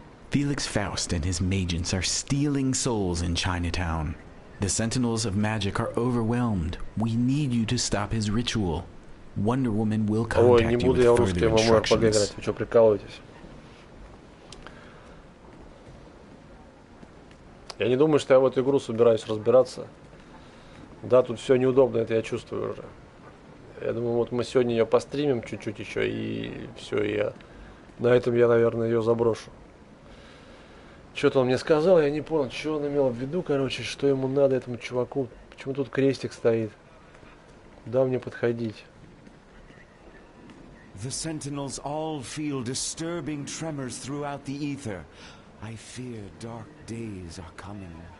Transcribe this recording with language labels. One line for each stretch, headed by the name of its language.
English: Felix Faust and his magents are stealing souls in Chinatown. The sentinels of magic are overwhelmed. We need you to stop his ritual. Wonder Woman will contact you with further instructions.
Russian: Ой, не буду я русским вам поиграть, вы что, прикалываетесь? Я не думаю, что я в эту игру собираюсь разбираться. Да, тут все неудобно, это я чувствую уже. Я думаю, вот мы сегодня ее постримим чуть-чуть еще и все, и я... На этом я, наверное, ее заброшу. Что-то он мне сказал, я не понял, что он имел в виду, короче, что ему надо этому чуваку. Почему тут крестик стоит? Куда мне подходить?
English: The sentinels all feel disturbing tremors throughout the ether. I fear dark days are coming.